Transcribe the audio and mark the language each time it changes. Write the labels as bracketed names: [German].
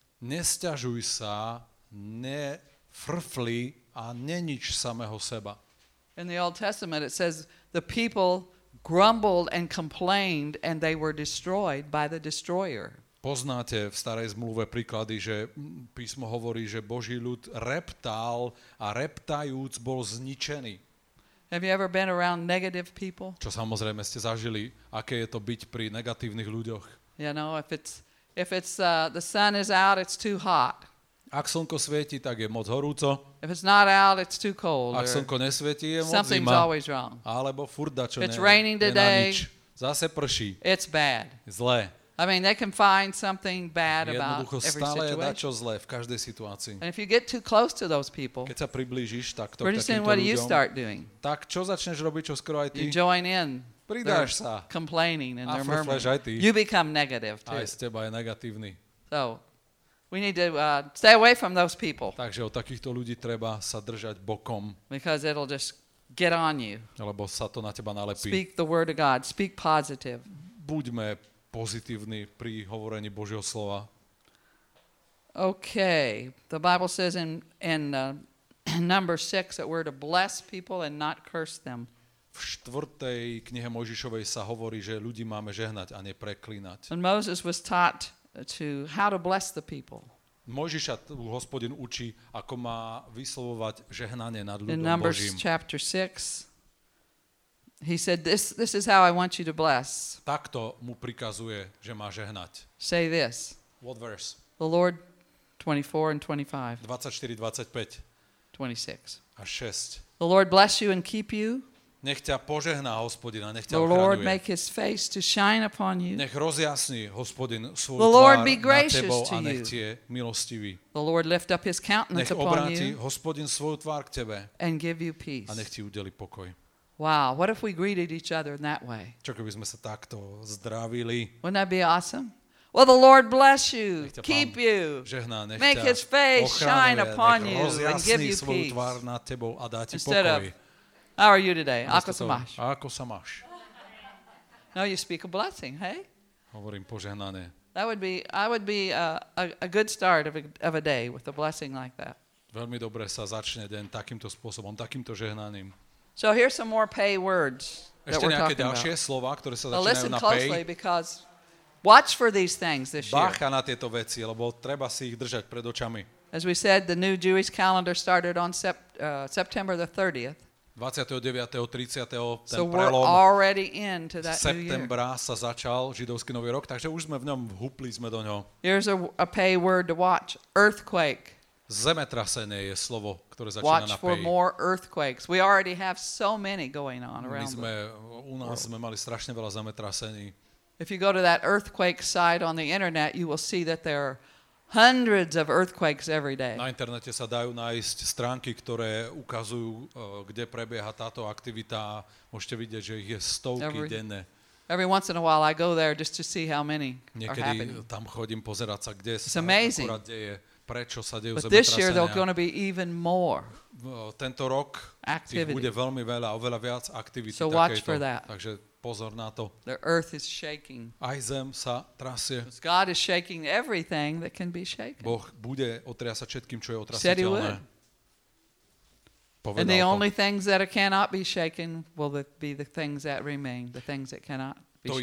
[Slovak] Nesťažuj sa, nefrfli a nenič samého seba. [English] In the Old Testament it says the people grumbled and complained and they were destroyed by the destroyer. [Slovak] Poznáte v starej zmluve príklady, že písmo hovorí, že Boží ľud reptal a reptajúc bol zničený. [English] Have you ever been around negative people? [Slovak] Čo samozrejme ste zažili, aké je to byť pri negatívnych ľuďoch? [English] You know, if it's the sun is out, it's too hot. [Slovak] Ak slnko svieti, tak je moc horúco. [English] If it's not out, it's too cold. [Slovak] Ak slnko nesvieti, je moc [English] something's [Slovak] zima. [English] Always wrong. [Slovak] Alebo furt dačo [English] it's raining today, [Slovak] na nič. Zase prší. [English] It's bad. [Slovak] Zlé. [English] I mean, they can find something bad about every situation. [Slovak] Stále je dačo zlé v každej situácii. [English] And if you get too close to those people, [Slovak] keď sa priblížiš takto [English] pretty soon, what do you start doing? [Slovak] Tak čo začneš robiť, čo skoro aj ty? [English] You join in. [Slovak] Pridáš sa. [English] Complaining and they're murmuring. [Slovak] Aj ty. [English] You become negative too. [Slovak] Aj z teba je negatívny. [English] So, we need to stay away from those people. [Slovak] Takže od takýchto ľudí treba sa držať bokom. [English] Because it'll just get on you. [Slovak] Lebo sa to na teba nalepí. [English] Speak the word of God. Speak positive. [Slovak] Buďme pozitívny pri hovorení Božieho slova. [English] Okay. The Bible says in number 6 that we're to bless people and not curse them. [Slovak] V 4. knihe Mojžišovej sa hovorí, že ľudí máme žehnať a nie preklínať. [English] And Moses was taught to how to bless the people. [Slovak] Mojžiša tu Hospodin učí, ako má vyslovovať žehnanie nad ľuďom Božím. [English] In Numbers chapter 6. He said this is how I want you to bless. [Slovak] Takto mu prikazuje, že má žehnať. [English] Say this. What verse? The Lord 24 and 25. 24 25. 26. [Slovak] A 6. [English] The Lord bless you and keep you. [Slovak] Nech ťa požehná Hospodin a nech ťa ochraňuje. [English] The Lord make his face to shine upon you. [Slovak] Nech rozjasní Hospodin svoju tvár. [English] The Lord be gracious to you. [Slovak] A nech ti je milostivý. [English] The Lord lift up his countenance upon you. [Slovak] Nech obráti Hospodin svoju tvár k tebe. [English] And give you peace. [Slovak] A nech ti udeli pokoj. [English] Wow, what if we greeted each other in that way? [Slovak] Čo keby sme sa takto zdravili? [English] Wouldn't that be awesome? Well, the Lord bless you, keep you, [Slovak] žehná, [English] make his face shine upon you and give you [Slovak] svoju Tvár na tebou a dá ti [English] instead [Slovak] pokoj. [English] Of, how are you today? [Slovak] Ako sa máš? Ako sa máš? [English] No, you speak a blessing, hey? [Slovak] Hovorím požehnané. [English] I would be a good start of a day with a blessing like that. [Slovak] Veľmi dobre sa začne deň takýmto spôsobom, takýmto žehnaním. [English] So here's some more pay words that [Slovak] ešte [English] we're talking [Slovak] ďalšie [English] about. [Slovak] Slova, ktoré sa začínajú na pay. [English] Listen closely because watch for these things this year. [Slovak] Bacha na tieto veci, lebo treba si ich držať pred očami. [English] As we said, the new Jewish calendar started on September the 30th. [Slovak] 29. 30. ten [English] so So we're already into that new year. [Slovak] Septembra sa začal židovský nový rok, takže už sme v ňom vhúpli sme do ňoho. [English] Here's a pay word to watch. Earthquake. [Slovak] Zemetrasenie je slovo, ktoré začína [English] watch [Slovak] na pay. [English] Watch for more earthquakes. We already have so many going on around. [Slovak] My sme u nás sme mali strašne veľa zemetrasení. [English] If you go to that earthquake site on the internet, you will see that there are hundreds of earthquakes every day. [Slovak] Na internete sa dajú nájsť stránky, ktoré ukazujú, kde prebieha táto aktivita. Môžete vidieť, že ich je stovky denne. [English] Every once in a while I go there just to see how many are happening. [Slovak] Niekedy tam chodím pozerať sa, kde sa akurát deje. Prečo sa dejú [English] but this year there's going to be even more. [Slovak] Tento rok ich bude veľmi veľa, oveľa viac aktivity so takejto. Takže pozor na to. [English] The earth is shaking. [Slovak] Aj zem sa trasie. [English] God is shaking everything that can be shaken. [Slovak] Boh bude otriasať všetkým, čo je otrasiteľné. [English] And the only things that cannot be shaken will be the things that remain, the things that cannot be shaken.